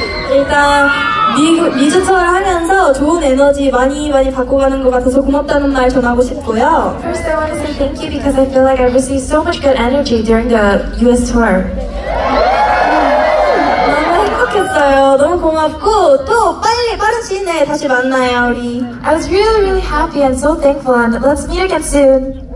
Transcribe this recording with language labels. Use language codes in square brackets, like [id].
[ko] 일단 미주 투어를 하면서 좋은 에너지 많이 받고 가는 것 같아서 고맙다는 말 전하고 싶고요. [en] First, I want to say thank you because I feel like I received so much good energy during the US tour. [ko] 너무 행복했어요. 너무 고맙고 또 빠른 시일 내에 다시 만나요, 우리. [en] I was really, really happy and so thankful, and let's meet again soon.